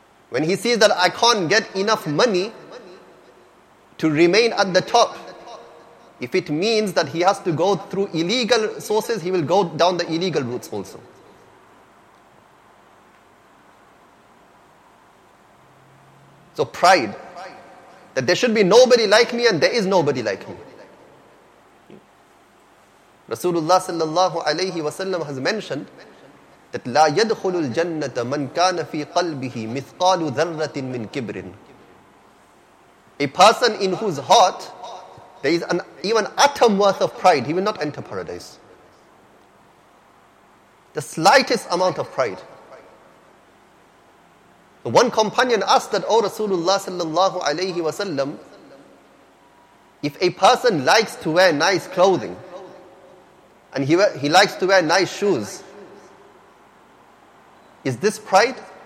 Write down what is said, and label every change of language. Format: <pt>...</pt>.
<en>When he sees that I can't get enough money to remain at the top, if it means that he has to go through illegal sources, he will go down the illegal routes also. So pride, that there should be nobody like me and there is nobody like me. Rasulullah sallallahu alayhi wa sallam has mentioned that</en> <ar>لا يدخل الجنة من كان في قلبه مثقال ذرة من كبر.</ar> <en>A person in whose heart there is an even atom worth of pride, he will not enter paradise. The slightest amount of pride. One companion asked that, O Rasulullah sallallahu alayhi wa sallam, if a person likes to wear nice clothing and he likes to wear nice shoes, is this pride?</en>